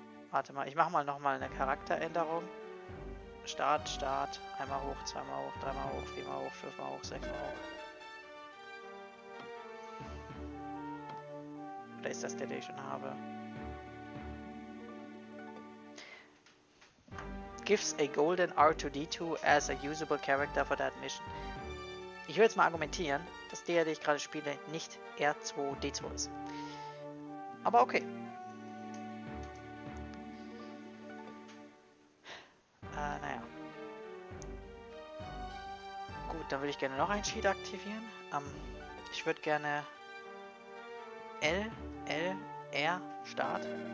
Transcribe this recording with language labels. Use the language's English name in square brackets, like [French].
[German] Warte mal, ich mache mal nochmal eine Charakteränderung. Start, Start. Einmal hoch, zweimal hoch, dreimal hoch, viermal hoch, fünfmal hoch, sechsmal hoch. Oder ist das der, den ich schon habe? [English] Gives a golden R2-D2 as a usable character for that mission. [German] Ich würde jetzt mal argumentieren, dass der, den ich gerade spiele, nicht R2-D2 ist. Aber okay. Naja. Gut, dann würde ich gerne noch ein Sheet aktivieren. Ich würde gerne LLR Start.